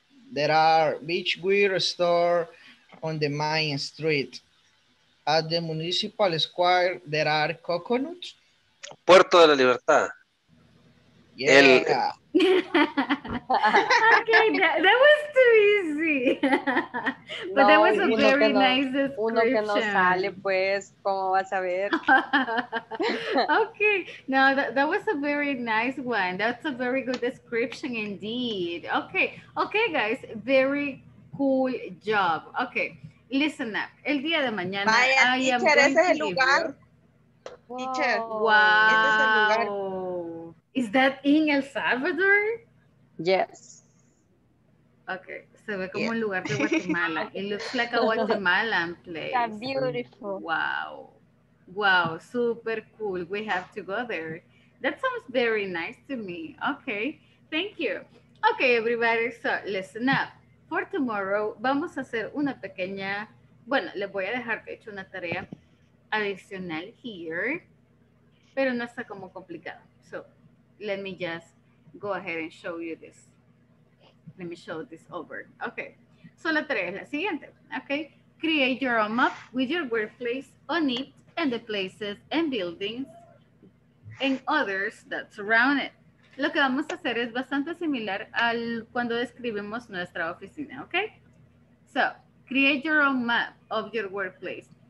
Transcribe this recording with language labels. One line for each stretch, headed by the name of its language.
English: There are beach wear store on the main street. At the municipal square, there are coconuts.
Spanish: Puerto de la Libertad. Yeah. El...
English: Okay, that was too easy. But no, that was a very nice description.
Spanish: Uno que no sale, pues, ¿cómo vas a ver?
English: Okay, no, that was a very nice one. That's a very good description indeed. Okay, guys, very cool job. Okay, listen up.
Spanish: El día de mañana. Vaya, teacher, ese es el lugar. Teacher.
English: Wow. Is that in El Salvador? Yes.
Spanish: Okay, se ve como un lugar de Guatemala.
English: It looks like a Guatemalan place. That's beautiful. Wow, super cool. We have to go there. That sounds very nice to me. Okay, thank you. Okay, everybody, so listen up. for tomorrow
Spanish: vamos a hacer una pequeña, bueno, les voy a dejar de hecho una tarea adicional here, pero no está como complicado.
English: So, let me just go ahead and show you this. Let me show this over. Okay. So,
Spanish: la tarea es la siguiente.
English: Okay. Create your own map with your workplace on it and the places and buildings and others that surround it.
Spanish: Lo que vamos a hacer es bastante similar al cuando describimos nuestra oficina, ¿ok?
English: So, create your own map of your workplace.